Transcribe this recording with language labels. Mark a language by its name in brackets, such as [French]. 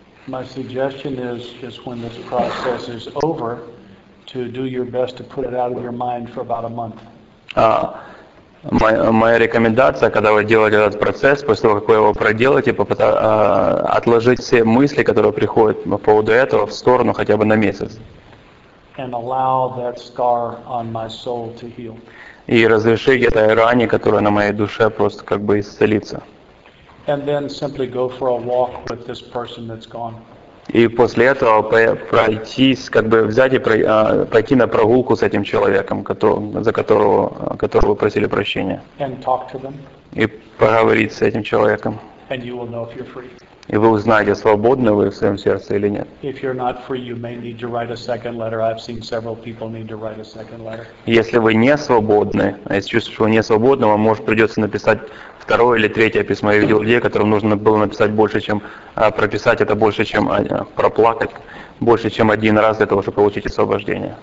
[English] My suggestion is when this process is over, to do your best to put it out of your mind for about a month. [Russian] Моя рекомендация, когда вы делаете этот процесс, после того, как вы его проделаете, отложить все мысли, которые приходят по поводу этого, в сторону хотя бы на месяц. [English] And allow that scar on my soul to heal. [Russian] И разрешить этой ране, которая на моей душе, просто как бы исцелиться. [English] And then simply go for a walk with this person that's gone. [Russian] И после этого пройтись, как бы взять и пойти на прогулку с этим человеком, за которого вы просили прощения. [English] And talk to them. [Russian] И поговорить с этим человеком. [English] And you will know if you're free. [Russian] И вы узнаете, свободны вы в своем сердце или нет. [English] If you're not free, you may need to write a second letter. I've seen several people need to write a second letter. [Russian] Если вы не свободны, а если чувствуете, что вы не свободны, вам, может, придется написать второе или третье письмо. Я видел людей, которым нужно было написать больше, чем прописать это, больше, чем проплакать, больше, чем один раз для того, чтобы получить освобождение.